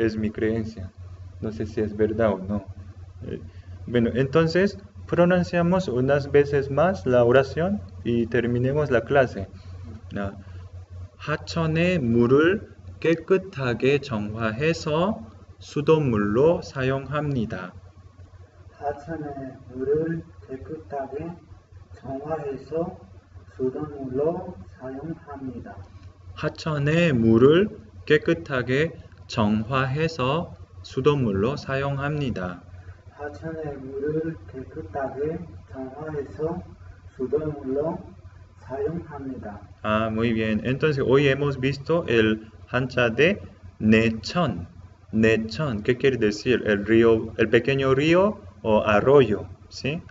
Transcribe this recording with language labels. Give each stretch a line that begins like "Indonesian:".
Spanish: Es mi creencia, no sé si es verdad o no. Bueno, entonces pronunciamos unas veces más la oración y terminemos la clase. Ya.
Korean: 하천의 물을 깨끗하게 정화해서 수돗물로 사용합니다. 하천의 물을 깨끗하게 정화해서 수돗물로 사용합니다. 하천의 물을 깨끗하게 정화해서 수돗물로 사용합니다. 하천의 물을 깨끗하게 정화해서 수돗물로 사용합니다.
Spanish: 아, muy bien. Entonces, hoy hemos visto el hancha de Nechon. Nechon, ¿qué quiere decir? El río, el pequeño río o arroyo, ¿sí?